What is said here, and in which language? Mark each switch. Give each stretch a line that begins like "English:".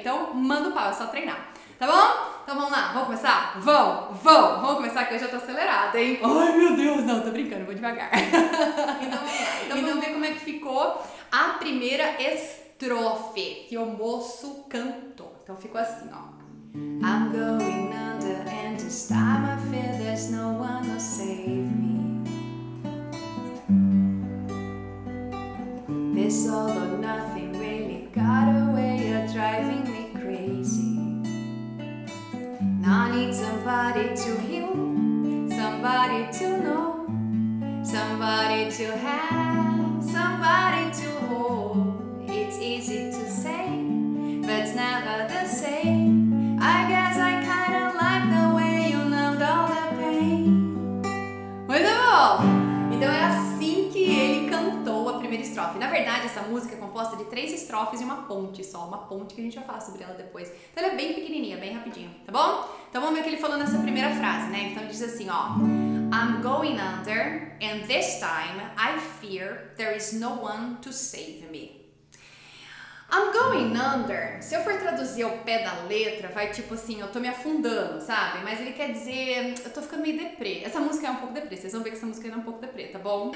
Portuguese: Então, manda o pau. É só treinar. Tá bom? Então vamos lá. Vamos começar? Vamos começar, que eu já tô acelerada, hein? Ai, meu Deus. Não, tô brincando. Vou devagar. Então vamos lá. Então vamos ver como é que ficou a primeira estrofe que o moço cantou. Então ficou assim, ó.
English: I'm going under and this time I fear there's no one to save me. This all or nothing really got away, you're driving me crazy. Now I need somebody to heal, somebody to know, somebody to have, somebody to hold. Easy to say, but it's never the same. I guess I kind of like the way you numbed all the pain.
Portuguese: Muito bom! Então é assim que ele cantou a primeira estrofe. Na verdade, essa música é composta de 3 estrofes e uma ponte só. Uma ponte que a gente vai falar sobre ela depois. Então ela é bem pequenininha, bem rapidinho, tá bom? Então vamos ver o que ele falou nessa primeira frase, né? Então ele diz assim, ó.
English: I'm going under, and this time I fear there is no one to save me. I'm going under,
Portuguese: se eu for traduzir ao pé da letra, vai tipo assim, eu tô me afundando, sabe? Mas ele quer dizer, eu tô ficando meio deprê. Essa música é um pouco deprê, vocês vão ver que essa música é um pouco deprê, tá bom?